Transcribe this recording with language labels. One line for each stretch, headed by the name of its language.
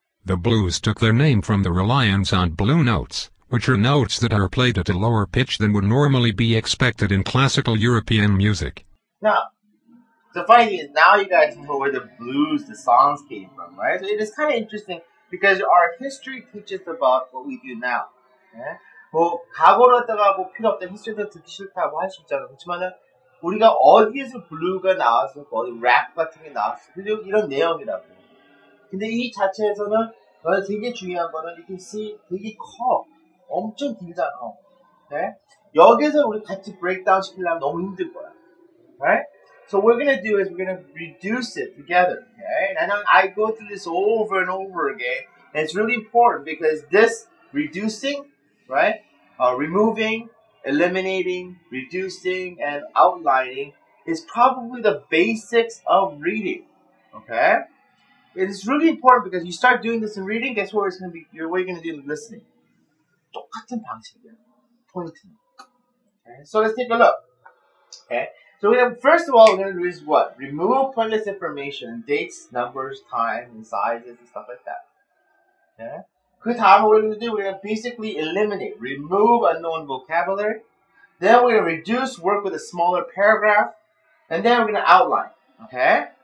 English: The blues took their name from the reliance on blue notes, which are notes that are played at a lower pitch than would normally be expected in classical European music. Now, the funny thing is, now you guys know where the blues, the songs came from, right? So it is kind of interesting. Because our history teaches about what we do now. Okay?
Korean: 뭐, 과거로 했다가 뭐 필요 없다, 히스토리도 듣기 싫다고 할 수 있잖아. 그렇지만은, 우리가 어디에서 블루가 나왔을까, 어디 랩 같은 게 나왔을까, 이런 내용이라고. 근데 이 자체에서는, 되게 중요한 거는,
English: you can see,
Korean: 되게 커. 엄청 길잖아.
English: Okay?
Korean: 여기서 우리 같이 breakdown 시키려면 너무 힘들 거야.
English: Right? So what we're gonna do is we're gonna reduce it together, okay? And I go through this over and over again, and it's really important because this reducing, right? Removing, eliminating, reducing, and outlining is probably the basics of reading, okay? It's really important because you start doing this in reading, guess what it's gonna be, what you're gonna do in listening.
Korean: 똑같은 방식이야, 포인트.
English: Okay? So let's take a look, okay? So we have, first of all, we're going to do is what? Remove pointless information, dates, numbers, time, and sizes, and stuff like that. Okay?
Korean: 그 다음
English: we're going to do, we're going to basically eliminate, remove unknown vocabulary. Then we're going to reduce, work with a smaller paragraph. And then we're going to outline. Okay?